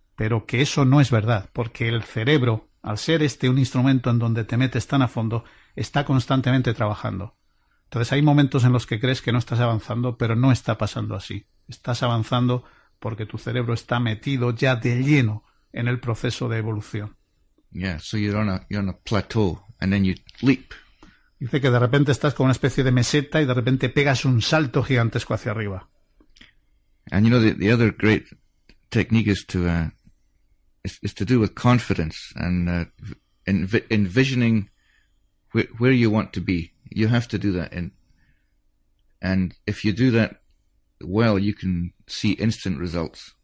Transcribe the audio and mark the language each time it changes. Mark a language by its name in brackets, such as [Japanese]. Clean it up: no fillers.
[Spanish] Pero que eso no es verdad, porque el cerebro, al ser este un instrumento en donde te metes tan a fondo, está constantemente trabajando. Entonces hay momentos en los que crees que no estás avanzando, pero no está pasando así. Estás avanzando porque tu cerebro está metido ya de lleno en el proceso de evolución. [English] Yeah, so you're on a plateau and then you leap. [Spanish] Dice que de repente estás con una especie de meseta y de repente pegas un salto gigantesco hacia arriba. [English] And you know the other great technique is to do with confidence and envisioning where you want to be. You have to do that, and if you do that well, you can see instant results.